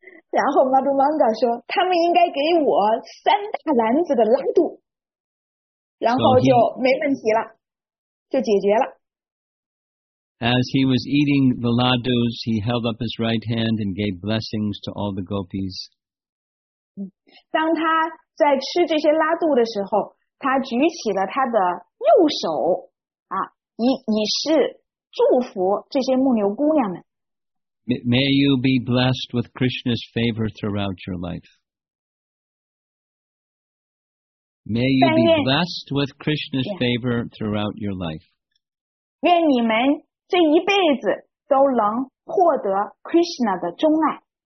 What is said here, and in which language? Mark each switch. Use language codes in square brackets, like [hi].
[zh] 然后 Madhu Mangal 说，他们应该给我三大篮子的拉肚，然后就没问题了，就解决了。 [en] As he was eating the laddus, he held up his right hand and gave blessings to all the gopis. [zh] 当他在吃这些拉肚的时候，他举起了他的右手。以示祝福这些牧牛姑娘们。 [en] May you be blessed with Krishna's favor throughout your life. May you be blessed with Krishna's favor throughout your life. [zh] 愿你们这一辈子都能获得 Krishna 的钟爱。